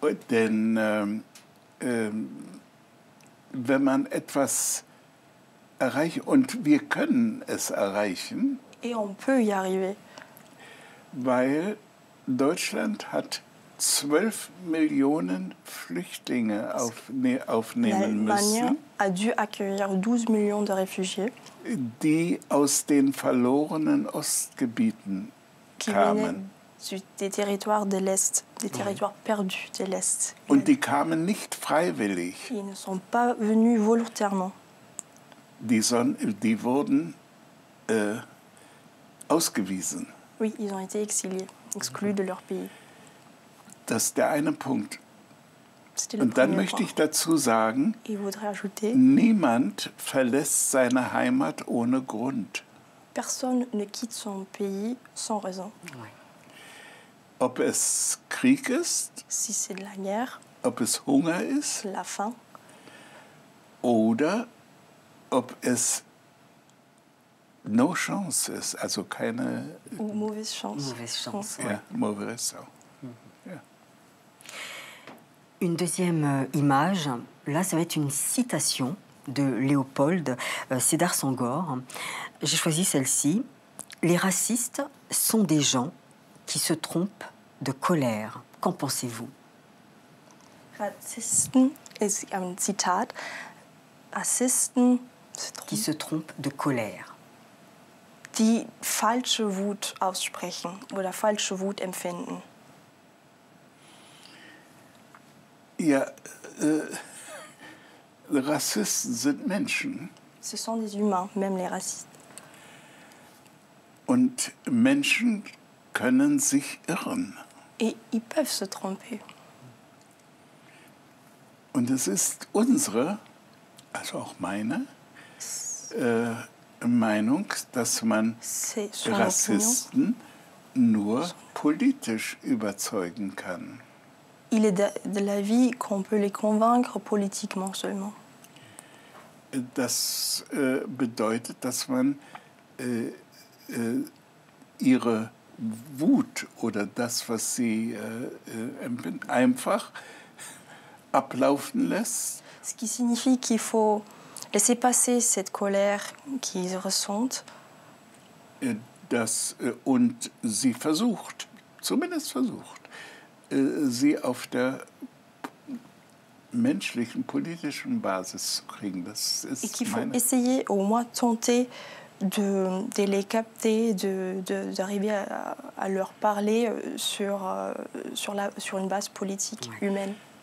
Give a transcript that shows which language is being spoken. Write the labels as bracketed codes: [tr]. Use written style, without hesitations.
[de] Denn wenn man etwas erreicht, und wir können es erreichen. [fr] Et on peut y arriver. [de] Weil Deutschland hat 12 Millionen Flüchtlinge aufnehmen müssen. [fr] L'Allemagne a dû accueillir 12 millions de réfugiés. [de] Die aus den verlorenen Ostgebieten kamen. [fr] Des territoires de l'Est, des territoires perdus de l'Est. [de] Und die kamen nicht freiwillig. [fr] Ils ne sont pas venus volontairement. [de] Die wurden ausgewiesen. [fr] Oui, ils ont été exilés, exclus de leur pays. [de] Das ist der eine Punkt. Und dann möchte ich dazu sagen, niemand verlässt seine Heimat ohne Grund. [fr] Personne ne quitte son pays sans raison. [de] Ob es Krieg ist, [fr] si c'est de la guerre, [de] ob es Hunger ist, [fr] la faim, [de] oder ob es [en] no chance [de] ist, also keine... [fr] Ou mauvaise chance. Mauvaise chance. Ja, mauvaise chance. Une deuxième image, là ça va être une citation de Léopold Sédar Senghor. J'ai choisi celle-ci. Les racistes sont des gens qui se trompent de colère. Qu'en pensez-vous? [de] Rassisten ist ein Zitat. Rassisten [fr] qui se trompent de colère. [de] Die falsche Wut aussprechen oder falsche Wut empfinden. Ja, Rassisten sind Menschen. [fr] Ce sont des humains, même les racistes. [de] Und Menschen können sich irren. [fr] Et ils peuvent se tromper. [de] Und es ist unsere, also auch meine, Meinung, dass man Rassisten nur politisch überzeugen kann. [fr] Il est de l'avis qu'on peut les convaincre politiquement seulement. [de] Das bedeutet, dass man ihre Wut oder das, was sie empfinden, einfach ablaufen lässt. [fr] Ce qui signifie qu'il faut laisser passer cette colère qu'ils ressentent. [de] Das, und sie versucht, zumindest versucht, sie auf der menschlichen, politischen Basis zu kriegen. Das ist [fr] et qu'il faut essayer, au moins tenter, de les capter, d'arriver à leur parler sur une base politique humaine.